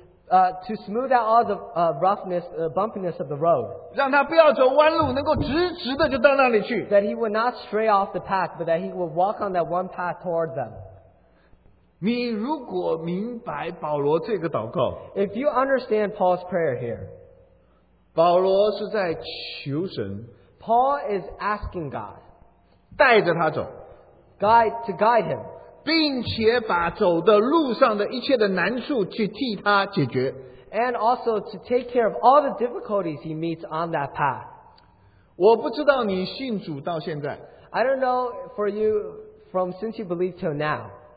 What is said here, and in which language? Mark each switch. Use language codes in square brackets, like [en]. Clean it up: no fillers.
[en] to smooth out all the roughness, bumpiness of the road. [zh] 让他不要走弯路, 能够直直的就到那里去, [en] that he would not stray off the path, but that he would walk on that one path toward them. [zh] 你如果明白保罗这个祷告, [en] if you understand Paul's prayer here, [zh] 保罗是在求神, [en] Paul is asking God, [zh] 带着他走, [en] to guide him, [zh] 并且把走的路上的一切的难处去替他解决, [en] and also to take care of all the difficulties he meets on that path. [zh] 我不知道你信主到现在, [en] I don't know for you from since you believe till now,